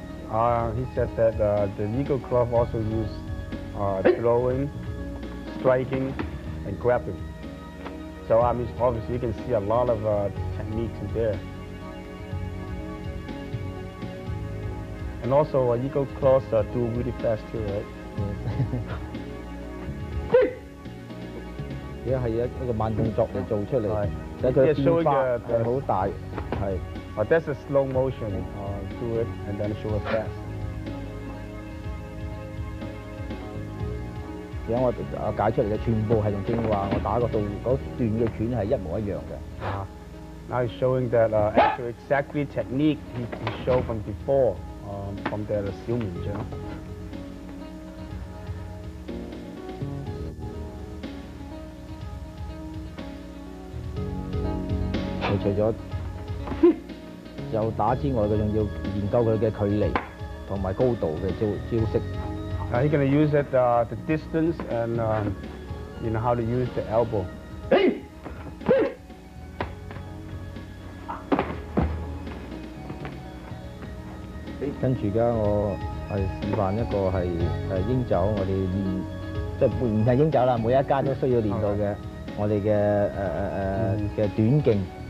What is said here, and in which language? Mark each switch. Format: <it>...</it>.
<en>He said that the eagle claw also use throwing, striking, and grabbing. So I mean, obviously you can see a lot of techniques in there. And also, eagle claws do really fast too, right? Yes.</en> <yue>呢係一個慢動作嚟做出嚟，使佢變化係好大，係。</yue> <en>That's a slow motion. Do it and then show it fast.</en> <yue>因為我解出嚟嘅全部係同正話我打嗰度嗰段嘅拳係一模一樣嘅。</yue> <en>Now he's showing that actual exactly technique he showed from before, from the Xiu Min Jiang. He</en> <yue>除咗有打之外，佢仲要研究佢嘅距離同埋高度嘅招式。</yue> <en>He's gonna use it the distance and you know how to use the elbow.</en> <yue>跟住而家我係示範一個係鷹爪，我哋練即係唔係鷹爪啦，每一家都需要練到嘅我哋嘅短勁。</yue>